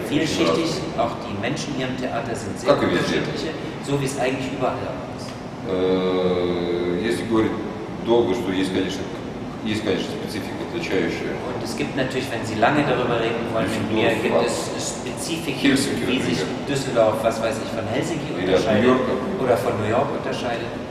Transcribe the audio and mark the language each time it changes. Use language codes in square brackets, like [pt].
[de] vielschichtig, auch die Menschen hier im Theater sind sehr unterschiedliche, so wie es eigentlich überall auch ist. [ru] Если говорить долго, что есть, конечно, специфика отличающая. [de] Und es gibt natürlich, wenn Sie lange darüber reden wollen, mit mir, gibt es Spezifiken, Helsinki, wie sich Düsseldorf, was weiß ich, von Helsinki unterscheidet oder von New York unterscheidet.